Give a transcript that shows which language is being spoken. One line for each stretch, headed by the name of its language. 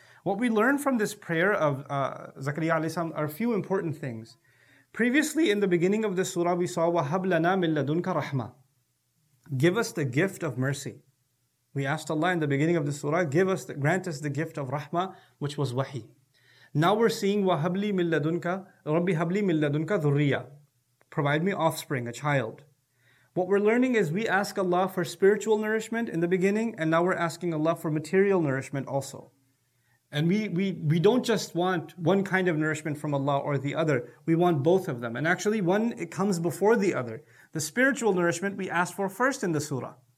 English: What we learn from this prayer of Zakariya alayhi salam are a few important things. Previously in the beginning of the surah we saw,
Arabic: وَهَبْ لَنَا مِنْ لَدُنْكَ رَحْمَةً.
English: Give us the gift of mercy. We asked Allah in the beginning of the surah, grant us the gift of rahmah, which was wahi. Now we're seeing,
Arabic: وَهَبْلِي مِنْ لَدُنْكَ رَبِّي هَبْلِي مِنْ لَدُنْكَ ذُرِّيَّةً.
English: Provide me offspring, a child. What we're learning is we ask Allah for spiritual nourishment in the beginning, and now we're asking Allah for material nourishment also. And we don't just want one kind of nourishment from Allah or the other. We want both of them. And actually, one, it comes before the other. The spiritual nourishment we asked for first in the surah.